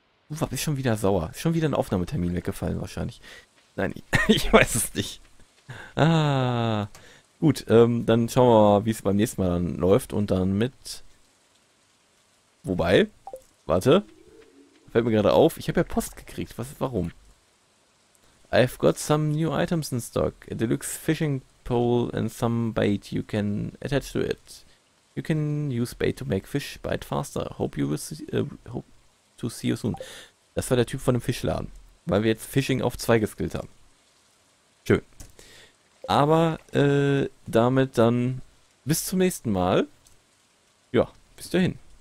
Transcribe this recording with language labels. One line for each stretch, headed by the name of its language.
German: Uwe, bist schon wieder sauer. Ist schon wieder ein Aufnahmetermin weggefallen wahrscheinlich. Nein, ich weiß es nicht. Ah, gut, dann schauen wir mal, wie es beim nächsten Mal dann läuft und dann mit... Wobei, warte, fällt mir gerade auf, ich habe ja Post gekriegt, was, warum?
English: I've got some new items in stock, a deluxe fishing pole and some bait you can attach to it. You can use bait to make fish bite faster, hope you will see, hope to see you soon.
German: Das war der Typ von dem Fischladen, weil wir jetzt Fishing auf 2 geskillt haben. Schön. Aber damit dann bis zum nächsten Mal. Ja, bis dahin.